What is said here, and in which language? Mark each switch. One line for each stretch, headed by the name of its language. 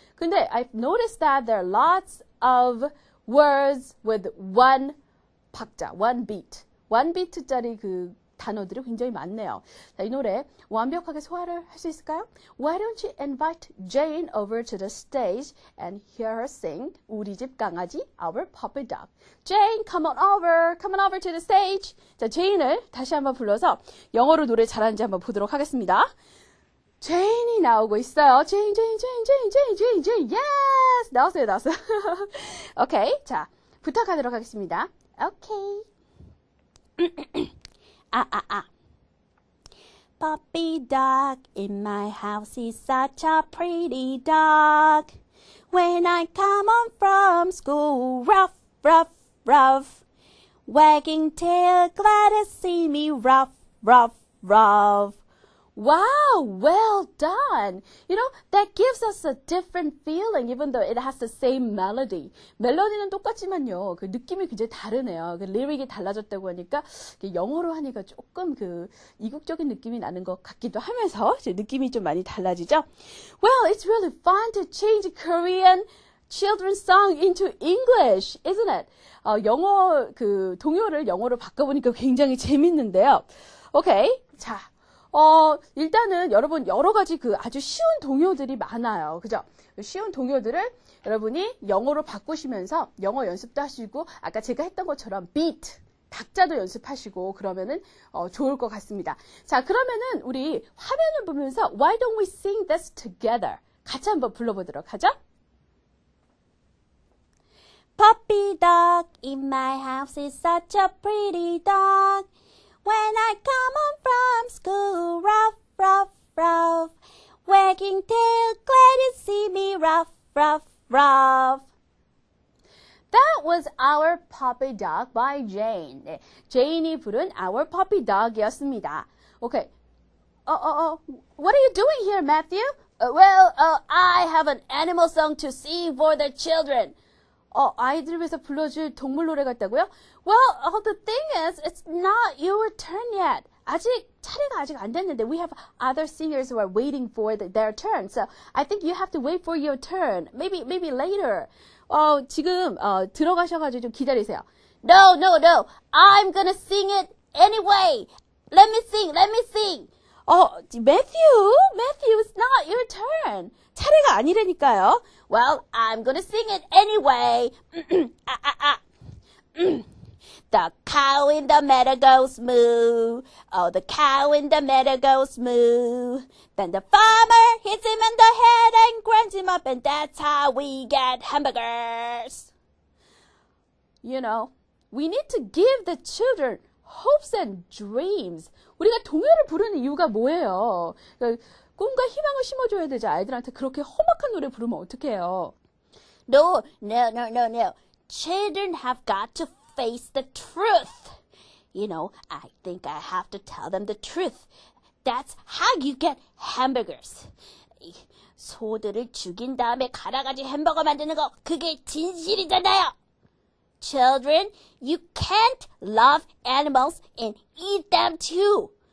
Korean: 근데
English: I've noticed that there are lots of words with one 박자, one beat.
Korean: One beat짜리 그 단어들이 굉장히 많네요. 자, 이 노래 완벽하게 소화를 할수 있을까요?
English: Why don't you invite Jane over to the stage and hear her sing 우리 집 강아지, our puppy dog. Jane, come on over to the stage.
Korean: 자, 제인을 다시 한번 불러서 영어로 노래 잘하는지 한번 보도록 하겠습니다. 제인이 나오고 있어요. 제인, 제인, 제인, 제인, 제인, 제인, 제인, 제인. Yes! 나왔어요, 나왔어요. 오케이. 자, 부탁하도록 하겠습니다. 오케이.
English: Puppy dog in my house, he's such a pretty dog. When I come home from school, ruff, ruff, ruff. Wagging tail, glad to see me, ruff, ruff, ruff. Wow, well done. You know, that gives us a different feeling, even though it has the same melody.
Korean: 멜로디는 똑같지만요, 그 느낌이 굉장히 다르네요. 그 리릭이 달라졌다고 하니까, 영어로 하니까 조금 그 이국적인 느낌이 나는 것 같기도 하면서, 이제 느낌이 좀 많이 달라지죠?
English: Well, it's really fun to change Korean children's song into English, isn't it?
Korean: 영어, 그 동요를 영어로 바꿔보니까 굉장히 재밌는데요. Okay, 자. 일단은 여러분 여러 가지 그 아주 쉬운 동요들이 많아요. 그죠? 쉬운 동요들을 여러분이 영어로 바꾸시면서 영어 연습도 하시고, 아까 제가 했던 것처럼 beat, 박자도 연습하시고, 그러면은, 좋을 것 같습니다. 자, 그러면은 우리 화면을 보면서
English: Why don't we sing this together?
Korean: 같이 한번 불러보도록 하죠.
English: Puppy dog in my house is such a pretty dog. When I come home from school, ruff, ruff, ruff. Wagging tail, glad to see me, ruff, ruff, ruff. That was Our Puppy Dog by Jane.
Korean: 네, 제인이 부른 Our Puppy Dog이었습니다.
English: Okay. What are you doing here, Matthew? I have an animal song to sing for the children.
Korean: 아이들을 위해서 불러줄 동물 노래 같다고요?
English: Well, the thing is, it's not your turn yet.
Korean: 아직 차례가 아직 안 됐는데,
English: we have other singers who are waiting for their turn. So, I think you have to wait for your turn. Maybe later.
Korean: 지금 들어가셔가지고 좀 기다리세요.
English: No. I'm gonna sing it anyway. Let me sing. 매튜, it's not your turn.
Korean: 차례가 아니라니까요.
English: Well, I'm gonna sing it anyway. The cow in the meadow goes moo. Oh, the cow in the meadow goes moo. Then the farmer hits him in the head and grinds him up, and that's how we get hamburgers. You know, we need to give the children hopes and dreams.
Korean: 우리가 동요를 부르는 이유가 뭐예요? 꿈과 희망을 심어줘야 되지. 아이들한테 그렇게 험악한 노래 부르면 어떡해요?
English: No. Children have got to face the truth. You know, I think I have to tell them the truth. That's how you get hamburgers.
Korean: 소들을 죽인 다음에 갈아가지 햄버거 만드는 거, 그게 진실이잖아요.
English: Children, you can't love animals and eat them too.